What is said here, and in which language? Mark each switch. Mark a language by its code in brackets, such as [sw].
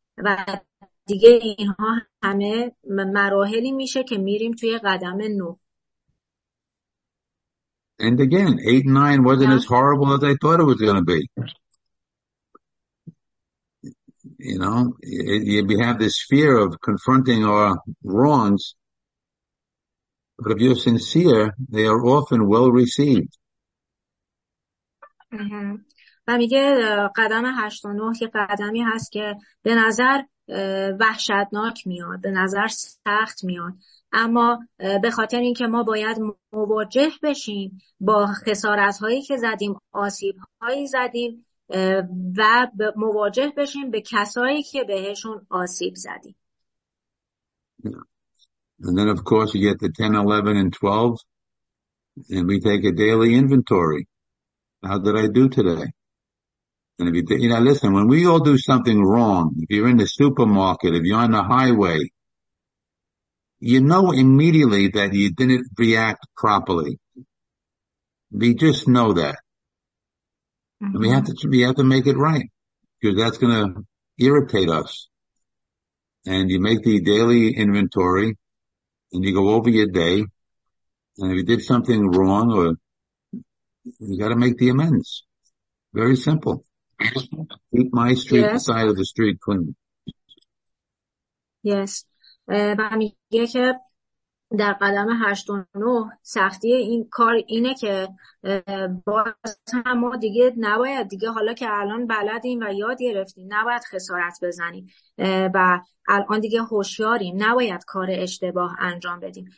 [fa] و دیگه اینها همه مراحلی میشه که میریم توی قدم 9. [en] And again, 8 and 9 wasn't as horrible as I thought it was going to be. You know, we have this fear of confronting our wrongs, but if you're sincere, they are often well received. [fa] و میگه قدم 8 و 9 یه قدمی هست که به نظر وحشتناک میاد، به نظر سخت میاد، اما به خاطر اینکه ما باید مواجه بشیم با خسارت‌هایی که زدیم، آسیب‌هایی زدیم و مواجه بشیم به کسایی که بهشون آسیب زدیم. [en] Yeah. And then of course you get the 10, 11 and 12 and we take a daily inventory. How did I do today? And if you, you know, listen, when we all do something wrong, if you're in the supermarket, if you're on the highway, you know immediately that you didn't react properly. We just know that. And we have to make it right, because that's going to irritate us. And you make the daily inventory and you go over your day. And if you did something wrong, or you got to make the amends. Very simple. Keep my street, yes. The side of the street clean. Yes. [fa] و میگه که در قدم 89 سختی این کار اینه که باز هم ما دیگه نباید دیگه حالا که الان بلدیم و یاد گرفتیم نباید خسارت بزنیم و الان دیگه هوشیاریم نباید کار اشتباه انجام بدیم.